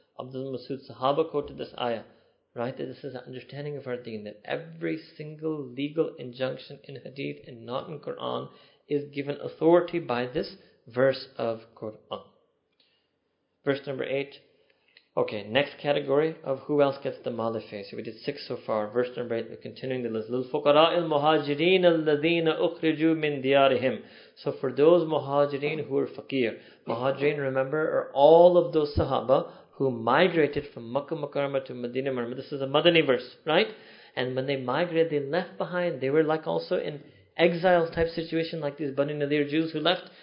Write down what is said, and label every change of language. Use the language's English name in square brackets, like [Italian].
[English] Abdul Masud Sahaba quoted this ayah. Right? That this is an understanding of our deen, that every single legal injunction in hadith and not in Quran, is given authority by this verse of Quran. Verse number 8. Okay, next category of who else gets the mal efe. So we did 6 so far. Verse number 8, we're continuing the list. [Arabic] الفقراء المهاجرين الذين أخرجوا من ديارهم. [English] So for those muhajireen who are faqir. Muhajireen, remember, are all of those sahaba who migrated from Makkah Mukarramah to Medina Mukarramah. This is a Madani verse, right? And when they migrated, they left behind. They were like also in exile type situation, like these Bani Nadir Jews who left.